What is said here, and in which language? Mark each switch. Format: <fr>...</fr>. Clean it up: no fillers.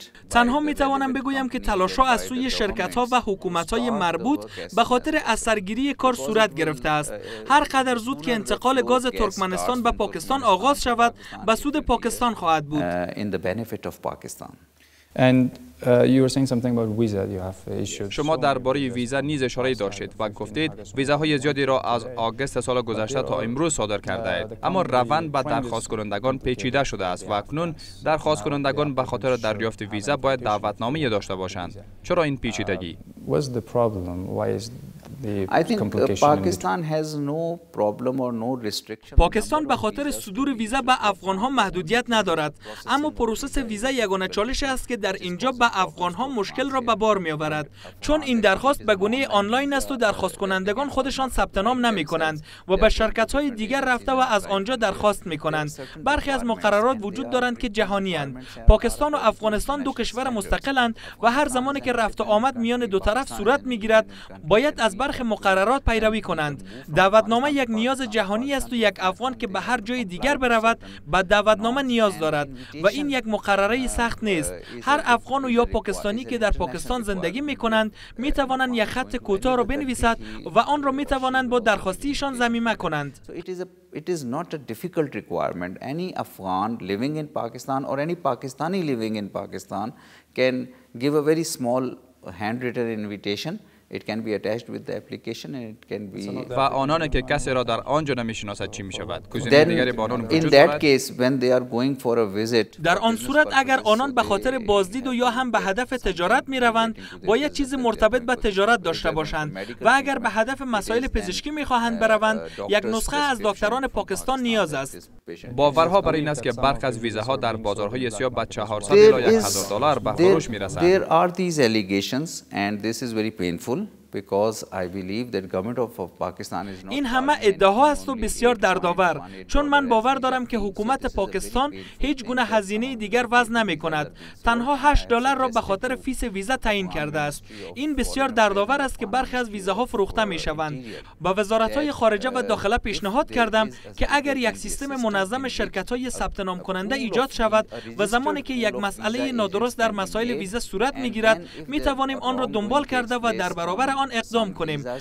<fa>تنها می توانم بگویم که تلاش ها از سوی شرکت ها و حکومت های مربوط به خاطر اثرگیری کار صورت گرفته است. هر قدر زود که انتقال گاز ترکمنستان به پاکستان آغاز شود به سود پاکستان خواهد بود.</fa> <en>Fit of Pakistan. And you were saying something about visa you have issued.</en> <fa>شما درباره ویزا نیز اشاره داشتید و گفتید ویزاهای زیادی را از آگوست سال گذشته تا امروز صادر کرده اید. اما روند با درخواست کنندگان پیچیده شده است و اکنون درخواست کنندگان به خاطر دریافت ویزا باید دعوتنامه داشته باشند. چرا این پیچیدگی؟</fa> <en>What's the problem? Why is I think Pakistan has no problem or no restriction.</en> <fa>پاکستان به خاطر صدور ویزا به افغان ها محدودیت ندارد، اما پروسس ویزا یگانه چالش است که در اینجا به افغان ها مشکل را به بار می آورد، چون این درخواست به گونه آنلاین است و درخواست کنندگان خودشان ثبت نام نمی کنند و به شرکت های دیگر رفته و از آنجا درخواست می کنند. برخی از مقررات وجود دارند که جهانی اند. پاکستان و افغانستان دو کشور مستقلند و هر زمانی که رفت و آمد میان دو طرف صورت می گیرد باید از برخ مقررات پیروی کنند. دعوتنامه یک نیاز جهانی است و یک افغان که به هر جای دیگر برود به دعوتنامه نیاز دارد و این یک مقرره سخت نیست. هر افغان و یا پاکستانی که در پاکستان زندگی می کنند می توانند یک خط کوتاه را بنویسند و آن را می توانند با درخواستیشان ضمیمه کنند.</fa> <en>It is not a difficult requirement. Any Afghan living in Pakistan or any Pakistani living in Pakistan can give a very small handwritten invitation. It can be attached with the application and it can be...</en> <fa>و آنان که کسی را در آنجا نمیشناسد چی میشود؟ کسی دیگری با آنان وجود دارد؟</fa> <en>In that case, when they are going for a visit...</en> <fa>در آن صورت اگر آنان به خاطر بازدید و یا هم به هدف تجارت میروند، باید چیز مرتبط به تجارت داشته باشند. و اگر به هدف مسائل پزشکی میخواهند بروند، یک نسخه از دکتران پاکستان نیاز است. باورها بر این است که برخ از ویزه ها در بازارهای سیاه به 400 الی 1000 دلار به فروش میرسند.</fa> <en>There are these allegations and this is very painful. Because I believe that government of Pakistan is not.</en> <fa>این همه ادعاها است و بسیار دردآور. چون من باور دارم که حکومت پاکستان هیچ گونه هزینه دیگر وضع نمی کند. تنها 8 دلار را به خاطر فیس ویزا تعیین کرده است. این بسیار دردآور است که برخی از ویزاها فروخته می شوند. به وزارت‌های خارجه و داخله پیشنهاد کردم که اگر یک سیستم منظم شرکت‌های ثبت نام کننده ایجاد شود و زمانی که یک مسئله نادرست در مسائل ویزا صورت می‌گیرد، می‌توانیم آن را دنبال کرده و در برابر آن اقدام کنیم.</fa>